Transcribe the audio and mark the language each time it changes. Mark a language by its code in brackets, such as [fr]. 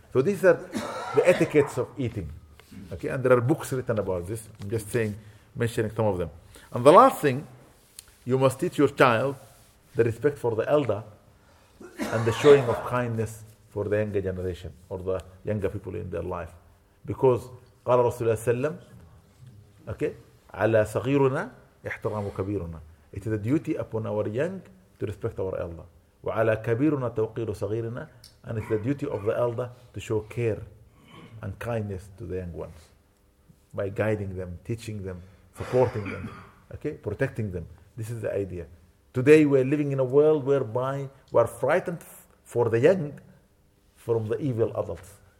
[en] So these are the etiquettes of eating. Okay, and there are books written about this. I'm just saying, mentioning some of them. And the last thing, you must teach your child the respect for the elder and the showing of kindness for the younger generation or the younger people in their life. Because [ar] قال رسول الله صلى الله عليه وسلم على صغيرنا احترام كبيرنا. [en] It is a duty upon our young to respect our elder. [ar] وعلى كبيرنا توقير صغيرنا. [en] And it's the duty of the elder to show care and kindness to the young ones by guiding them, teaching them, supporting them, okay, protecting them. This is the idea. Today we are living in a world whereby we are frightened for the young from the evil adults.